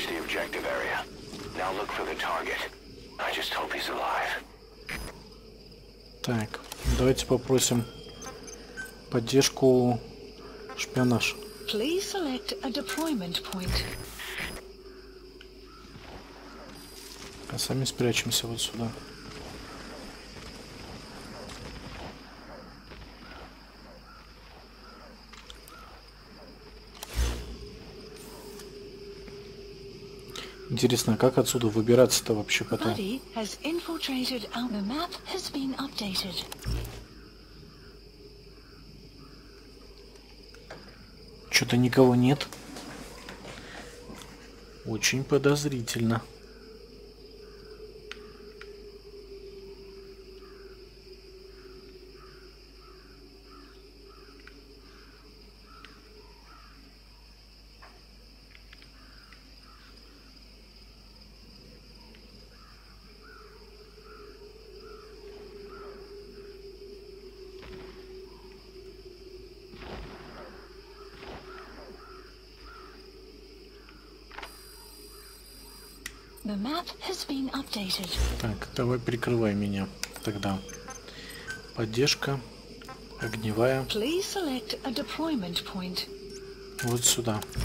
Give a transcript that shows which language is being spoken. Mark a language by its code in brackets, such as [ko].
[en] objective area. Now look for the target. I just hope he's alive. [ru] Так, давайте попросим поддержку шпионаж. [en] Please select a deployment point. [ru] А сами спрячемся вот сюда. Интересно, как отсюда выбираться-то вообще потом? [en] Buddy has infiltrated and the map has been updated. [ru] Что-то никого нет. Очень подозрительно. [en] The map has been updated. [ru] Так, давай прикрывай меня тогда. Поддержка огневая. [en] Please select a deployment point. [ru] Вот сюда.